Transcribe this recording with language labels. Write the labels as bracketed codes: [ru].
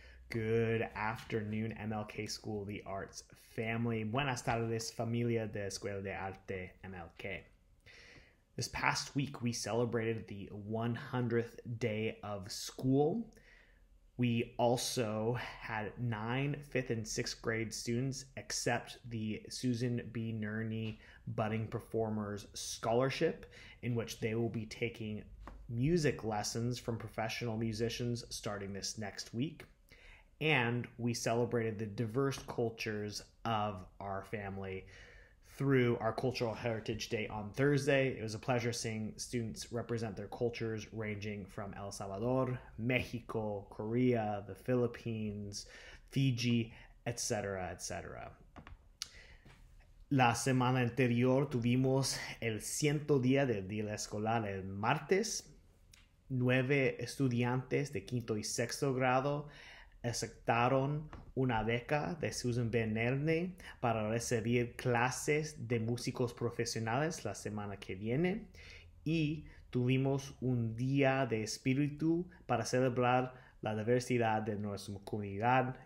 [en] Good afternoon, MLK School of the Arts family. [es] Buenas tardes, familia de Escuela de Arte MLK. [en] This past week, we celebrated the 100th day of school. We also had 9 fifth and sixth grade students accept the Susan B. Nerney Budding Performers Scholarship, in which they will be taking music lessons from professional musicians starting this next week. And we celebrated the diverse cultures of our family through our Cultural Heritage Day on Thursday. It was a pleasure seeing students represent their cultures ranging from El Salvador, Mexico, Korea, the Philippines, Fiji, etc., etc. [es] La semana anterior tuvimos el 100 día del día escolar el martes. 9 estudiantes de quinto y sexto grado aceptaron una beca de Susan B. Nerney para recibir clases de músicos profesionales la semana que viene, y tuvimos un día de espíritu para celebrar la diversidad de nuestra comunidad.